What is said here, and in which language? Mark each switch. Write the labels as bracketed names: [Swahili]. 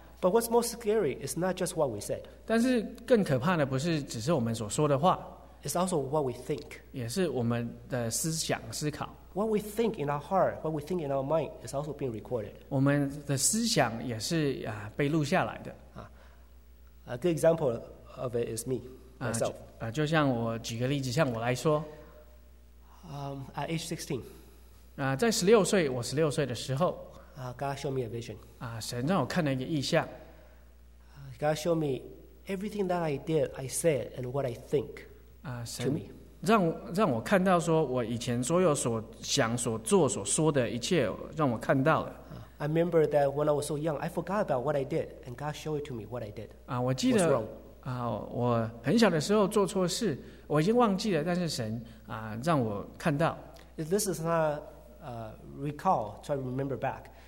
[English] But what's most scary is not just what we said. [Chinese] 但是更可怕的不是只是我们所说的话。 [English] It's also what we think. [Chinese] 也是我们的思想思考。 [English] What we think in our heart, what we think in our mind is also being recorded. [Chinese] 我们的思想也是 被录下来的。 [English] A good example of it is me, myself. [Chinese] 就像我举个例子, 像我来说。 [English] At age 16. [Chinese] 在16岁, 我16岁的时候。 [English] God showed me a vision. [Chinese] 神让我看了一个意象。 [English] God showed me everything that I did, I said, and what I think. [Chinese] 让我看到说我以前所有所想所做所说的一切 让我看到了。 [English] I remember that when I was so young, I forgot about what I did, and God showed it to me what I did. [Chinese] 我记得 我很小的时候做错事, 我已经忘记了, 但是神 让我看到。 [English] This is not recall, try to remember back.